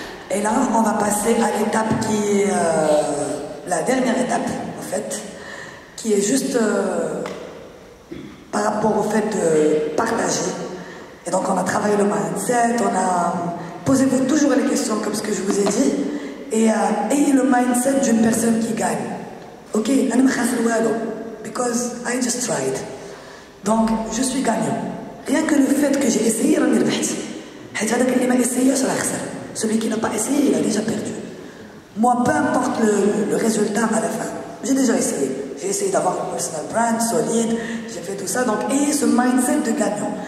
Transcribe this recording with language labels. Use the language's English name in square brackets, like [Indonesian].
[French] Et là, on va passer à l'étape qui est la dernière étape, en fait, qui est juste par rapport au fait de partager. Et donc, on a travaillé le mindset, on a posez-vous toujours les questions comme ce que je vous ai dit, et ayez le mindset d'une personne qui gagne. [English] Ok, I'm going to because I just tried. [French] Donc, je suis gagnant. Rien que le fait que j'ai essayé, je suis gagnant. Celui qui n'a pas essayé, il a déjà perdu. Moi, peu importe le résultat à la fin, j'ai déjà essayé. J'ai essayé d'avoir un personal brand solide, j'ai fait tout ça. Donc, ayez ce mindset de gagnant.